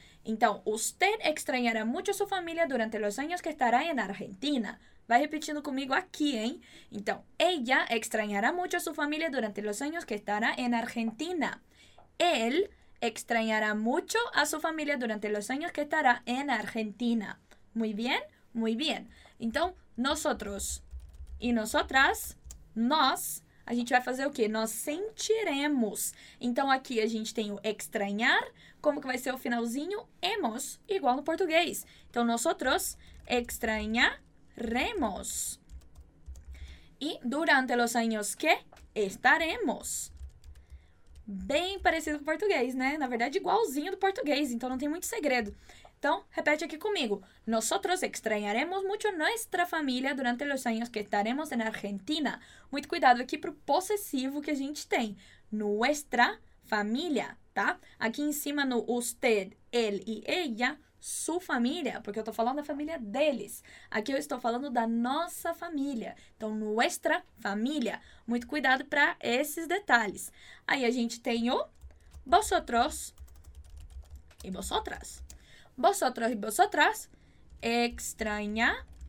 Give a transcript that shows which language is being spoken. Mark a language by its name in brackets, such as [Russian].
[Spanish] Então, usted extrañará mucho su familia durante los años que estará en Argentina. [Portuguese] Vai repetindo comigo aqui, hein? Então, [Spanish] ella extrañará mucho a su familia durante los años que estará en Argentina. Él extrañará mucho a su familia durante los años que estará en Argentina. Muy bien, muy bien. [Portuguese] Então, [Spanish] nosotros y nosotras, [Portuguese] nós, a gente vai fazer o quê? Nós sentiremos. Então, aqui a gente tem o extrañar, como que vai ser o finalzinho? Hemos, igual no português. [Spanish] Então, nosotros extrañaremos. E durante los años que estaremos. [Portuguese] Bem parecido com o português, né? Na verdade, igualzinho do português, então não tem muito segredo. Então, repete aqui comigo. [Spanish] Nosotros extrañaremos mucho nuestra familia durante los años que estaremos en Argentina. [Portuguese] Muito cuidado aqui pro possessivo que a gente tem. [Spanish] Nuestra familia, [Portuguese] tá? Aqui em cima no [Spanish] usted, él y ella, [Portuguese] su família, porque eu estou falando da família deles. Aqui eu estou falando da nossa família. Então, [Spanish] nuestra família. [Portuguese] Muito cuidado para esses detalhes. Aí a gente tem o vosotros e vosotras. [Spanish] Vosotros e vosotras extrañareis.